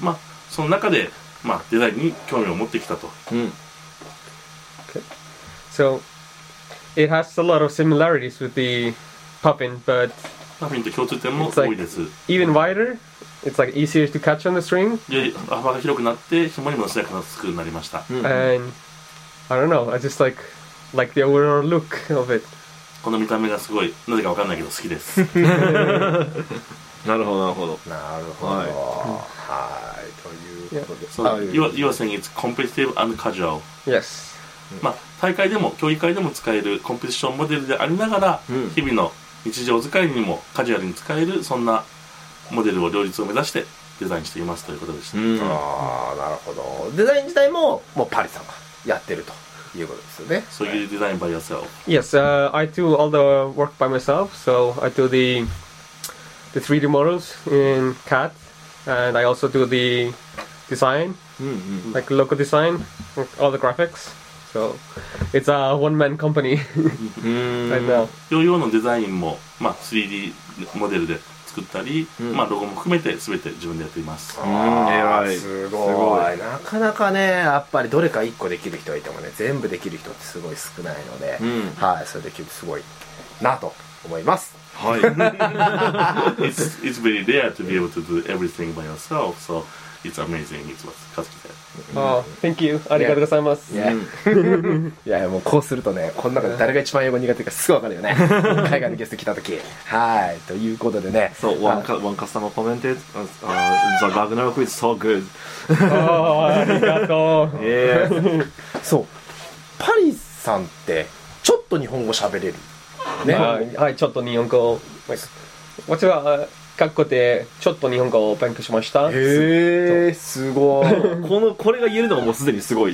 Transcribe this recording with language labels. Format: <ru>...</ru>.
<ja>まあ、その中で、まあ、デザインに興味を持ってきたと、うん、</ja> <en>okay. So it has a lot of similarities with the puffin, but</en> <ja>パフィンと共通点も多いです、</ja> <en>like、even wider it's like easier to catch on the string、</en> <ja>幅が広くなって紐にも強くなりました、</ja> <en>うん、and I don't know, I just like the overall look of it</en> <ja>この見た目がすごい、なぜかわかんないけど好きですなるほどなるほどなるほど、はい、はい、ということで、</ja> <en>so、You are saying it's competitive and casual Yes、</en> <ja>まあ、大会でも競技会でも使えるコンペティションモデルでありながら、うん、日々の日常使いにもカジュアルに使えるそんなモデルを両立を目指してデザインしていますということでした、うん、あーなるほど。デザイン自体ももうパリさんがやってるとそういうデザインバイヨーセル</ja> <en>フ Yes,、I do all the work by myself. So I do the 3D models in CAD and I also do the design, like local design, all the graphics. So it's a one man company right now.</en> <ja>ヨーヨーのデザインも、まあ、3D モデルで作ったり、まあ、ロゴも含めて全て自分でやっています。あ、はい、すごい。なかなかねやっぱりどれか1個できる人はいてもね全部できる人ってすごい少ないので、うん、はい、それできるとすごいなと思います。</ja> <en>はい It's very rare to be able to do everything by yourself, so it's amazing. It was custom. Oh, thank you.</en> <ja>ありがとうございます。</ja> <en>yeah.</en> <ja>Yeah. いやもうこうするとねこの中で誰が一番英語苦手かすぐ分かるよね海外のゲスト来た時。はい、ということでね、</ja> <en>so one customer commented the Ragnarok is so good.</en> <ja>ありがとう。</ja> <en>yeah.</en> <ja>そう、パリさんってちょっと日本語喋れるね。はい、ちょっと日本語、</ja> <en>like, what's your</en> <ja>かっこでちょっと日本語を勉強しました。へえ、すごいこれが言えるのがもうすでにすごい</ja>